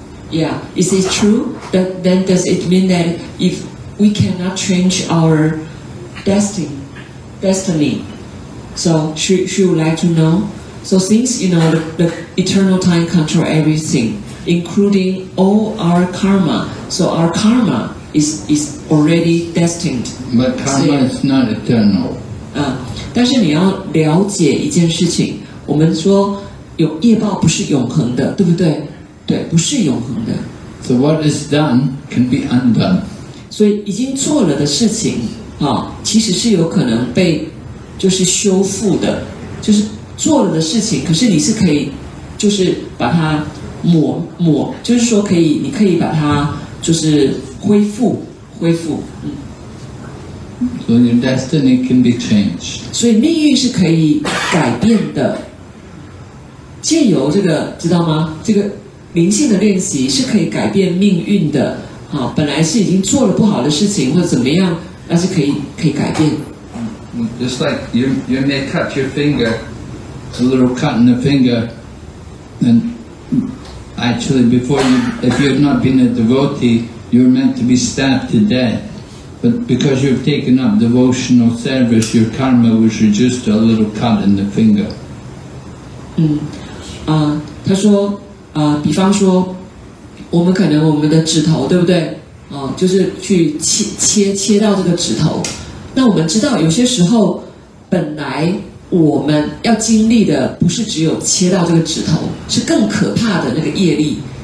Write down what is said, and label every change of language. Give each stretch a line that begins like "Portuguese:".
English: Yeah, is it true? But then does it mean that if we cannot change our destiny? So she would like to know. So since, you know, the eternal time control everything, including all our karma, so our karma is already destined. But karma is not eternal.
Chinese: 但是你要了解一件事情，我们说有业报不是永恒的，对不对？对，不是永恒的。
English: So what is done can be undone.
Chinese: 所以已经做了的事情，其实是有可能被就是修复的，就是做了的事情，可是你是可以就是把它抹，就是说可以，你可以把它就是恢复，恢复。
English: So your destiny can be changed.
Chinese: 所以命运是可以改变的。借由这个，知道吗？这个灵性的练习是可以改变命运的。好，本来是已经做了不好的事情或者怎么样，但是可以改变。
English: Just like you may cut your finger, a little cut in the finger, and actually before you, if you had not been a devotee, you were meant to be stabbed to death. But because you've taken up devotional service, your karma was reduced to a little cut in the finger.
Chinese: 他说，比方说，我们可能我们的指头，对不对？就是去切到这个指头。那我们知道，有些时候，本来我们要经历的不是只有切到这个指头，是更可怕的那个业力。